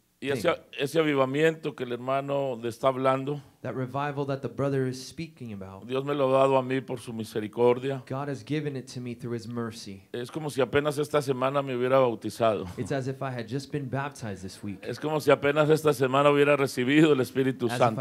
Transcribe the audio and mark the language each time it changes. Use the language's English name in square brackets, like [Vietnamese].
[Spanish] y ese avivamiento que el hermano le está hablando, [English] that revival that the brother is speaking about, [Spanish] Dios me lo ha dado a mí por su misericordia. [English] God has given it to me through his mercy. [Spanish] Es como si apenas esta semana me hubiera bautizado. [English] It's as if I had just been baptized this week. [Spanish] Es como si apenas esta semana hubiera recibido el Espíritu Santo.